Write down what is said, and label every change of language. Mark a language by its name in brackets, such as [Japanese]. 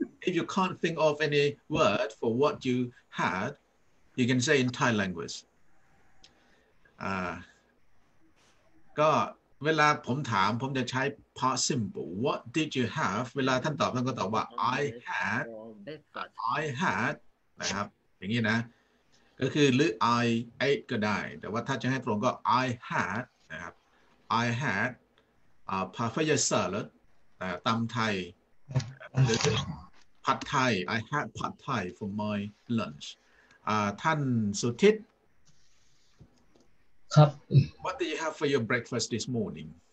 [English] If you can't think of any word for what you had, you can say in Thai language. [Thai] ก็เวลาผมถามผมจะใช้ past simple. [English] What did you have? [Thai] เวลาท่านตอบท่านก็ตอบว่า [English] I had. [Thai] นะครับอย่างนี้นะก็คือหรือ [English] I ate [Thai] ก็ได้แต่ว่าถ้าจะให้ตรงก็ I had นะครับ [English] I had papaya salad [Thai] ตำไทยหรือผัดไทย [English] I had [Thai] ผัดไทย [English] for my lunch [Thai] ท่านสุทิศ ครับ [English] What do you have for your breakfast this morning